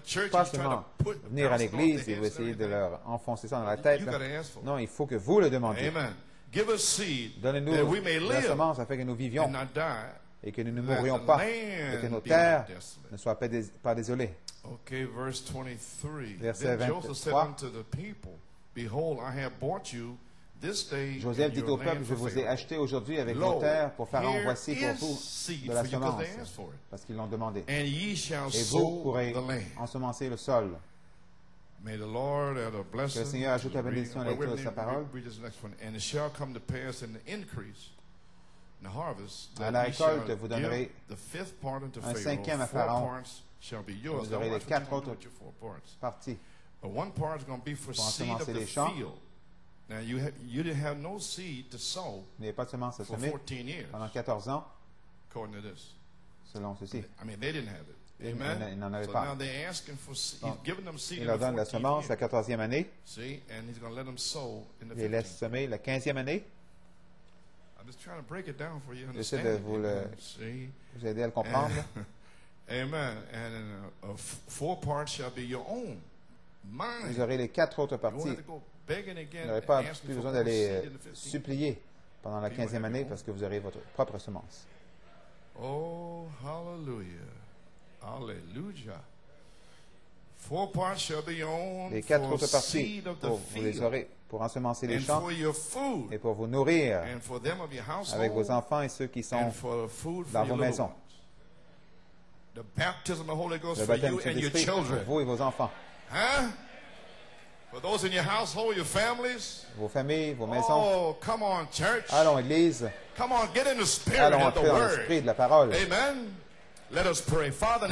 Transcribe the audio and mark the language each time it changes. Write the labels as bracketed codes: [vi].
[fr] Pas seulement venir à l'église et vous essayer de leur enfoncer ça dans la tête. Non, il faut que vous le demandiez. [en] Give us seed. [fr] Donnez-nous la semence afin que nous vivions et que nous ne mourions pas et que nos terres ne soient pas désolées. [en] Okay, verse 23. [fr] Verset 23. Joseph [en] said unto the people, Behold, I have bought you this day in your land. [fr] Dit au peuple, je vous ai acheté aujourd'hui avec vos terres pour Pharaon. Voici pour vous de la semence, parce qu'ils l'ont demandé. [en] And ye shall [fr] et vous pourrez ensemencer le sol. [en] May the Lord add a blessing. [fr] Que le Seigneur ajoute la bénédiction à l'écriture de sa parole. [en] And it shall come to pass in the increase, in the harvest, [fr] à la récolte, vous donnerez [en] the fifth part unto [fr] un cinquième à Pharaon. [en] Shall be yours. [fr] Vous aurez les quatre autres parties. [en] But one part is going to be for seed of the field. Now you didn't have no seed to sow for 14 years. [fr] Pendant 14 ans. [en] According to this. [fr] Selon ceci. [en] I mean, they didn't have it. Amen. [fr] Ils n'en avaient pas. [en] So now they're asking for seed. He's giving them seed. [fr] Il leur donne la semence la 14e année. [en] See, and he's going to let them sow in the 15th. [fr] Il laisse semer la 15e année. [en] I'm just trying to break it down for you. [fr] J'essaie de vous le vous aider à le comprendre. [en] Amen. And four parts shall be your own. [fr] Vous aurez les quatre autres parties. Vous n'aurez pas plus besoin d'aller supplier pendant la 15e année parce que vous aurez votre propre semence. [en] Oh, hallelujah. Hallelujah. Four parts shall be owned for [fr] les quatre autres parties, vous les aurez pour ensemencer les champs et pour vous nourrir avec vos enfants et ceux qui sont dans vos maisons. [en] The baptism of the Holy Ghost for you and your children. [fr] Pour vous et vos enfants. [en] Huh? For those in your household, your families. [fr] Vos familles, vos maisons. [en] Oh, come on, church. [fr] Allons, église. [en] Come on, get in the spirit [fr] Allons, [en] of the word. [fr] Dans l'esprit de la parole. [en] Amen. Let us pray. Father in